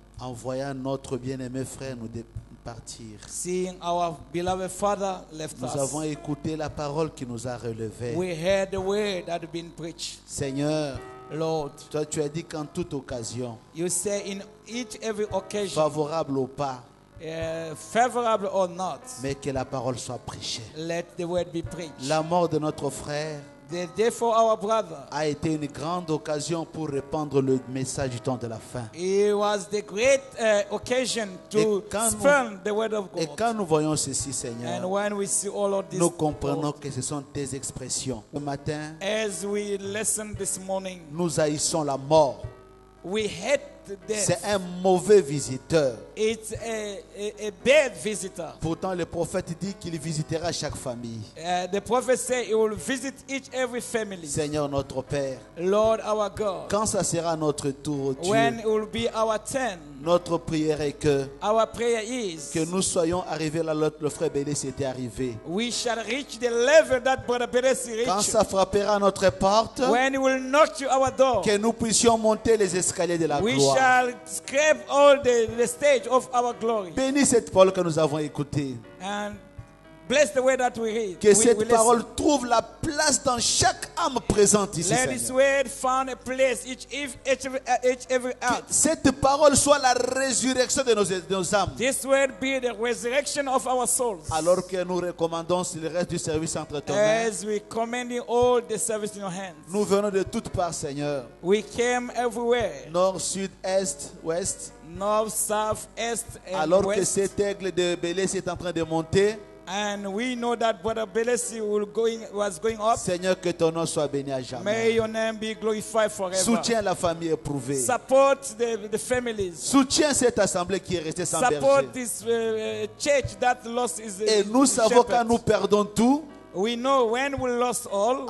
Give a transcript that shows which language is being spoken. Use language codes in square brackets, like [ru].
[fr] En voyant notre bien-aimé frère nous partir. [en] Seeing our beloved father left [fr] nous [en] us. [fr] Avons écouté la parole qui nous a relevé. [en] We heard the word that had been preached. [fr] Seigneur, [en] Lord, [fr] toi tu as dit qu'en toute occasion, [en] you say in each every occasion, [fr] favorable ou pas, [en] favorable or not, [fr] mais que la parole soit prêchée. [en] Let the word be preached. [fr] La mort de notre frère, [en] the death of our brother, [fr] a été une grande occasion pour répandre le message du temps de la fin. [en] It was the great occasion to spread the word of God. [fr] Et quand nous voyons ceci, Seigneur, [en] and when we see all of this, [fr] nous comprenons que ce sont tes expressions. Ce matin, [en] as we listen this morning, [fr] nous haïssons la mort. [en] We hate death. [fr] C'est un mauvais visiteur. [en] It's a bad visitor. [fr] Pourtant, le prophète dit qu'il visitera chaque famille. [en] The prophet said he will visit each every family. [fr] Seigneur notre Père. [en] Lord our God. [fr] Quand ça sera notre tour, Dieu. [en] When it will be our turn. [fr] Notre prière est que. [en] Our prayer is. [fr] Que nous soyons arrivés là où le frère Bénis était arrivé. [en] We shall reach the level that brother Bénis reached. [fr] Quand ça frappera à notre porte. [en] When it will knock to our door. [fr] Que nous puissions monter les escaliers de la [en] we [fr] gloire. [en] We shall scrape all the stairs. Of our glory. [fr] Bénis cette parole que nous avons écoutée. [en] And bless the word that we read. [fr] Que cette parole trouve la place dans chaque âme présente ici. [en] Let this word find a place each every heart. [fr] Cette parole soit la résurrection de nos âmes. [en] This word be the resurrection of our souls. [fr] Alors que nous recommandons le reste du service entre tes mains. [en] As we commending all the service in your hands. [fr] Nous venons de toutes parts, Seigneur. [en] We came everywhere. [fr] Nord, sud, est, ouest. [en] North, south, east, and [fr] alors [en] west. [fr] Que cet aigle de Bélès est en train de monter. [en] And we know that Brother Belessi was going up. [fr] Seigneur, que ton nom soit béni à jamais. [en] May your name be glorified forever. [fr] Soutiens la famille éprouvée. [en] Support the families. [fr] Soutiens cette assemblée qui est restée sans [en] support [fr] berger. [en] Support this church that lost its [fr] et nous savons quand nous perdons tout. [en] We know when we lost all.